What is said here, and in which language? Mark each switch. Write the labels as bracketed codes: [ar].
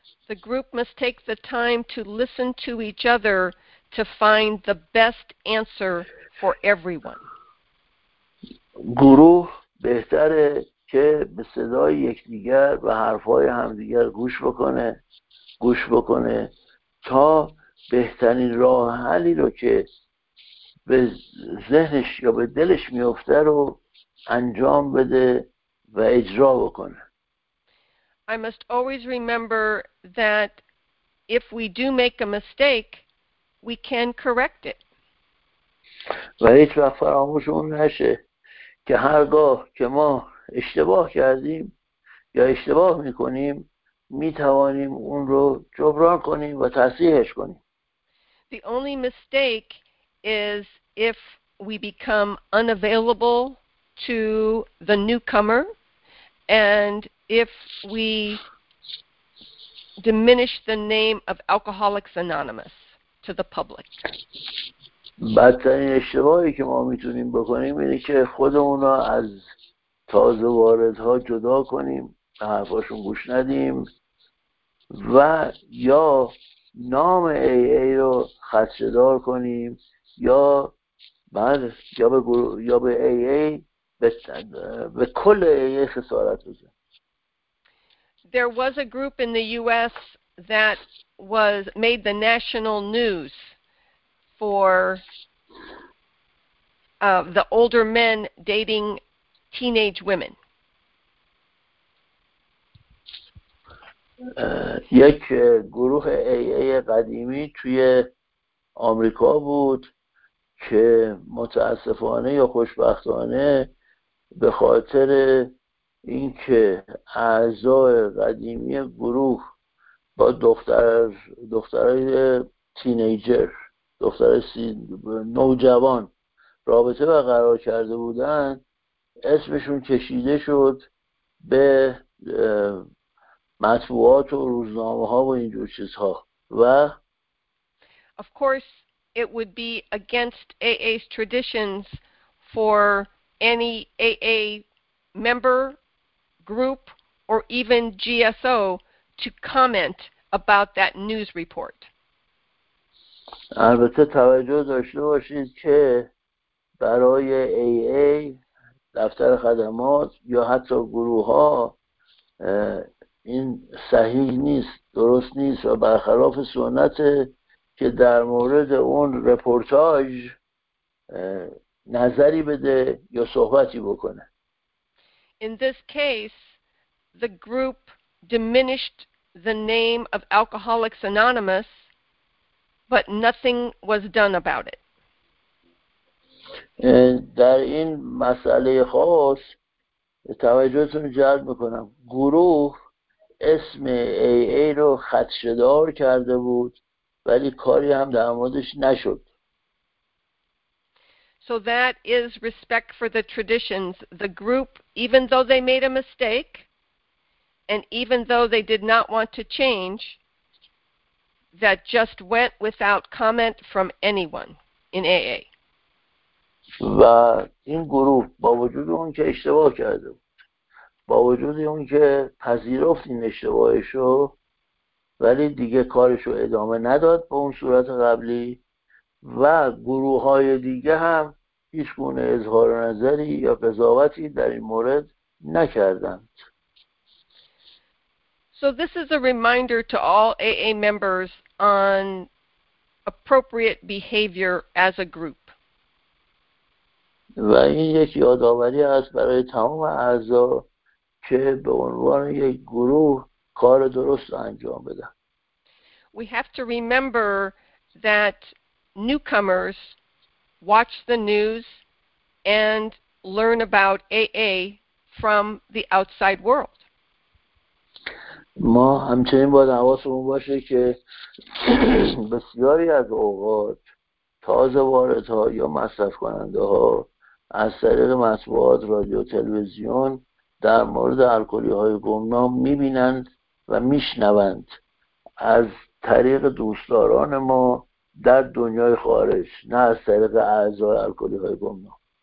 [en] The group must take the time to listen to each other to find the best answer for everyone. [fa] گروه بهتره که به صدای یکدیگر و حرفای همدیگر گوش بکنه تا بهترین راه حلی رو که به ذهنش یا به دلش میفته رو انجام بده و اجرا بکنه. [en] I must always remember that if we do make a mistake, we can correct it. [fa] و هیچ وقت فراموشمون نشه که هرگاه که ما اشتباه کردیم یا اشتباه میکنیم، میتوانیم اون رو جبران کنیم و تصحیحش کنیم. [en] The only mistake is if we become unavailable to the newcomer and if we diminish the name of Alcoholics Anonymous to the public. [fa] بدترین اشتباهی که ما میتونیم بکنیم اینه که خودمون رو از تازه واردها جدا کنیم، به حرفاشون گوش ندیم و یا نام AA رو خدشه‌دار کنیم یا بعد یا به گروه یا به AA به کل AA خسارت بزنیم. [en] There was a group in the US that was made the national news for the older men dating teenage women. [fa] یک گروه AA قدیمی توی آمریکا بود که متاسفانه یا خوشبختانه به خاطر اینکه اعضای قدیمی گروه با دخترای تینیجر، دختر نوجوان رابطه برقرار کرده بودن، اسمشون کشیده شد به مطبوعات و روزنامه ها و اینجور چیزها. و [en] Of course, it would be against AA's traditions for any AA member, group, or even GSO to comment about that news report. [fa] البته توجه داشته باشید که برای AA دفتر خدمات یا حتی گروه ها این صحیح نیست، درست نیست و برخلاف سنت که در مورد اون رپورتاج نظری بده یا صحبتی بکنه. [en] In this case, the group diminished the name of Alcoholics Anonymous, but nothing was done about it. [fa] در این مسئله خاص توجهتون جلب میکنم، گروه اسم AA رو خدشه‌دار کرده بود ولی کاری هم در موردش نشد. [en] So that is respect for the traditions. The group, even though they made a mistake, and even though they did not want to change, that just went without comment from anyone in AA. [fa] و این گروه با وجود اون که اشتباه کرده بود، با وجود اون که پذیرفت این اشتباهشو، ولی دیگه کارشو ادامه نداد به اون صورت قبلی و گروه های دیگه هم هیچ گونه اظهار نظری یا قضاوتی در این مورد نکردند. [en] So this is a reminder to all AA members on appropriate behavior as a group. [fa] و این یک یادآوری است برای تمام اعضا که به عنوان یک گروه کار درست انجام بدن. [en] We have to remember that newcomers watch the news and learn about AA from the outside world. [fa] ما همچنین باید حواسمون باشه که بسیاری از اوقات تازه واردها یا مصرف کننده ها از طریق مطبوعات، رادیو، تلویزیون در مورد الکلی های گمنام میبینند و میشنوند از طریق دوستداران ما در دنیای خارج، نه از طریق اعضای الکلی های گمنام.